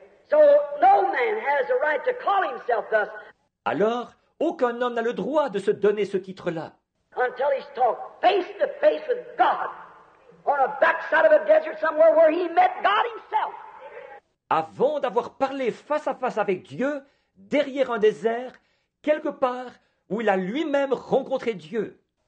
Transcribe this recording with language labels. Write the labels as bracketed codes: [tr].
[en] So no man has a right to call himself thus. [fr] Alors, aucun homme n'a le droit de se donner ce titre-là. [en] Until he's talked face to face with God on a backside of a desert somewhere where he met God himself. [fr] Avant d'avoir parlé face à face avec Dieu derrière un désert quelque part où il a lui-même rencontré Dieu.